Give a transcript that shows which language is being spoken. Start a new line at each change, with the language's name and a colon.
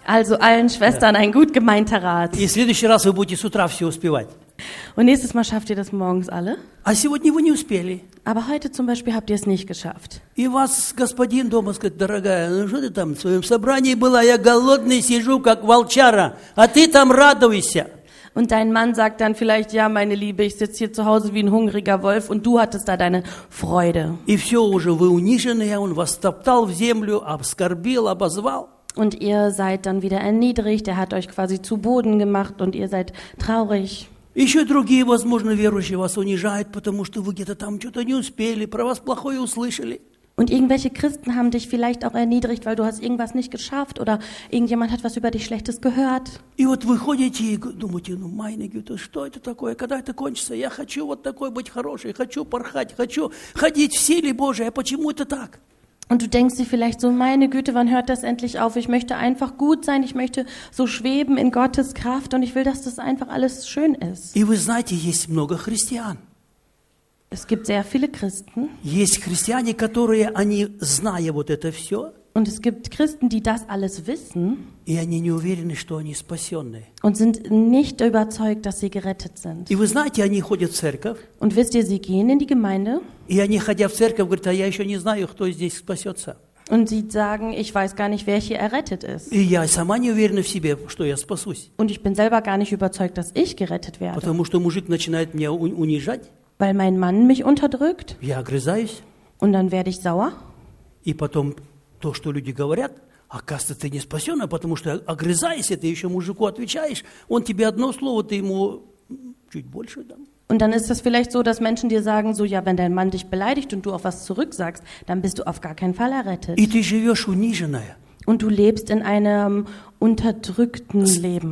German: Also allen Schwestern ein gut gemeinter Rat.
Russian: И в следующий раз вы будете с утра все успевать.
German: Und nächstes Mal schafft ihr das morgens alle.
Russian: А сегодня вы не успели.
German: Aber heute zum Beispiel habt ihr es nicht geschafft.
Russian: И вас господин дома скажет, дорогая, ну что ты там в своем собрании была, я голодный сижу, как волчара, а ты там радуйся.
German: Und dein Mann sagt dann vielleicht, ja, meine Liebe, ich sitze hier zu Hause wie ein hungriger Wolf und du hattest da deine Freude.
Russian: И все уже, вы униженные, он вас топтал в землю, оскорбил, обозвал.
German: Und ihr seid dann wieder erniedrigt, er hat euch quasi zu Boden gemacht und ihr seid traurig.
Russian: Еще другие, возможно, верующие вас унижают, потому что вы где-то там что-то не успели, про вас плохое услышали.
German: Und irgendwelche Christen haben dich vielleicht auch erniedrigt, weil du hast irgendwas nicht geschafft oder irgendjemand hat was über dich Schlechtes gehört.
Russian: И вот выходите и думаете, ну,
German: meine Güte,
Russian: что это такое? Когда это кончится? Я хочу вот такой быть хороший, хочу порхать, хочу ходить в силе Божией. А почему это так?
German: Und du denkst dir vielleicht so, meine Güte, wann hört das endlich auf? Ich möchte einfach gut sein, ich möchte so schweben in Gottes Kraft und ich will, dass das einfach alles schön ist.
Russian: И вы знаете, есть много христиан.
German: Es gibt sehr viele Christen.
Russian: Есть христиане, которые, они, зная вот это все,
German: und es gibt Christen, die das alles wissen,
Russian: и они не уверены, что они спасенные.
German: Und sind nicht überzeugt, dass sie gerettet sind.
Russian: И вы знаете, они ходят в церковь.
German: Und wisst ihr, sie gehen in die Gemeinde.
Russian: И они, ходя в церковь, говорят, а я еще не знаю, кто здесь спасется.
German: Und sie sagen, ich weiß gar nicht, wer hier errettet ist.
Russian: И я сама не уверена в себе, что я спасусь.
German: Und ich bin selber gar nicht überzeugt, dass ich gerettet werde.
Russian: Потому что мужик начинает меня унижать.
German: Weil mein Mann mich unterdrückt.
Russian: Я огрызаюсь.
German: Und dann werde ich sauer.
Russian: И потом то, что люди говорят, оказывается, ты не спасен, а потому что огрызаешься, ты еще мужику отвечаешь, он тебе одно слово, ты ему чуть больше дам.
German: Und dann ist das vielleicht so, dass Menschen dir sagen, so ja, wenn dein Mann dich beleidigt und du auf was zurücksagst, dann bist du auf gar keinen Fall errettet.
Russian: И ты живешь униженная.
German: Und du lebst in einem unterdrückten Leben.